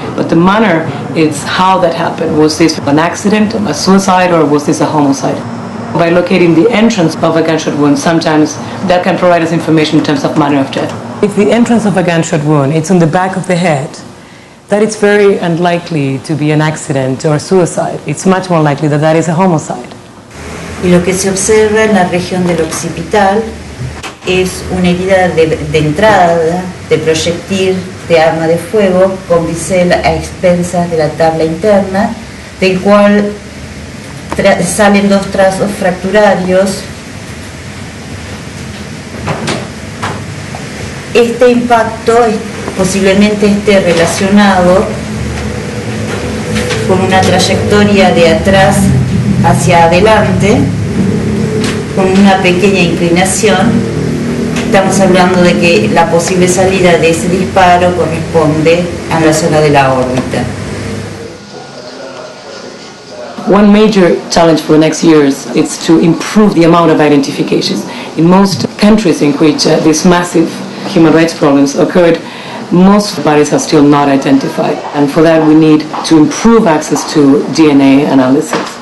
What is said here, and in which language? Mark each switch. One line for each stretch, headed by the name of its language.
English: But the manner is how that happened. Was this an accident, a suicide, or was this a homicide? By locating the entrance of a gunshot wound, sometimes that can provide us information in terms of manner of death. If the entrance of a gunshot wound, it's on the back of the head, that it's very unlikely to be an accident or a suicide. It's much more likely that that is a homicide.
Spanish: Y lo que se observa en la región del occipital es una herida de entrada de proyectil de arma de fuego con bisel a expensas de la tabla interna, del cual salen dos trazos fracturarios. Este impacto posiblemente esté relacionado con una trayectoria de atrás hacia adelante, con una pequeña inclinación. Estamos hablando de que la posible salida de ese disparo corresponde a la zona de la órbita.
English: One major challenge for the next years is to improve the amount of identifications. In most countries in which these massive human rights problems occurred, most bodies are still not identified, and for that we need to improve access to DNA analysis.